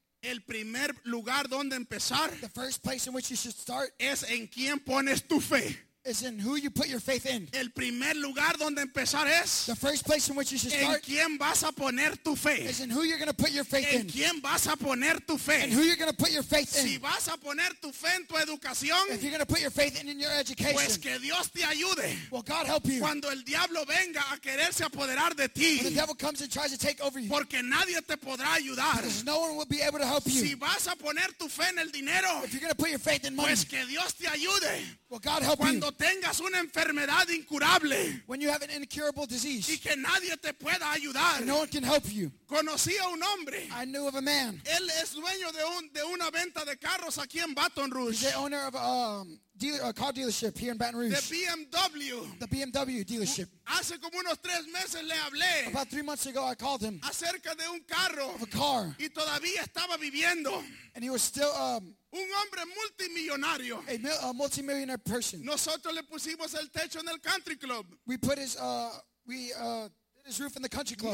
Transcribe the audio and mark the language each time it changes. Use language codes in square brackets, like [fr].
[es] El primer lugar donde empezar. [en] The first place in which you should start. [es] Es en quién pones tu fe. [en] Is in who you put your faith in. [es] El primer lugar donde empezar es. [en] The first place in which you should start. [es] En quién vas a poner tu fe. [en] Is in who you're going to put your faith in. [es] En quién vas a poner tu fe. [en] In who you're going to put your faith in. [es] Si vas a poner tu fe en tu educación. [en] If you're going to put your faith in your education. [es] Pues que Dios te ayude. [en] Will God help you. [es] Cuando el diablo venga a quererse apoderar de ti. [en] When the devil comes and tries to take over you. [es] Porque nadie te podrá ayudar. [en] Because no one will be able to help you. [es] Si vas a poner tu fe en el dinero. [en] If you're going to put your faith in money. [es] Pues que Dios te ayude. [en] Will God help [es] cuando [en] you. [es] Tengas una enfermedad incurable. [en] When you have an incurable disease. [es] Y que nadie te pueda ayudar. [en] No one can help you. [es] Conocí a un hombre. [en] I knew of a man. [es] Él es dueño de una venta de carros aquí en Baton Rouge. [en] He's the owner of a car dealership here in Baton Rouge. The BMW. The BMW dealership. [es] Hace como unos tres meses le hablé. [en] About 3 months ago I called him. [es] Acerca de un carro. [en] Of a car. [es] Y todavía estaba viviendo. [en] And he was still [es] un hombre multimillonario. [en] A multimillionaire person. [es] Nosotros le pusimos el techo en el country club. [en] We put his did his roof in the country club.